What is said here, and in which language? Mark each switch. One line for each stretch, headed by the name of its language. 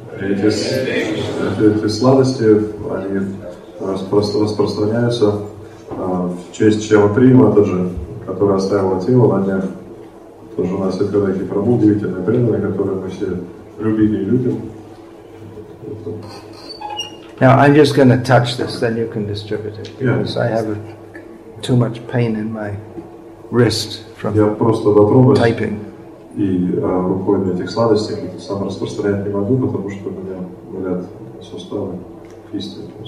Russian: Эти сладости, они распространяются в честь Шьямы Прии Матаджи, которая оставила тело на днях. Тоже у нас Сиддха Деха Прабху, удивительные преданные, которые мы все любили и любим.
English: Now, I'm just going to touch this, then you can distribute it. Because I have too much pain in my wrist from
Russian: Я просто дотронусь
English: typing.
Russian: И рукой на этих сладостях сам распространять не могу, потому что у меня болят суставы, кисти.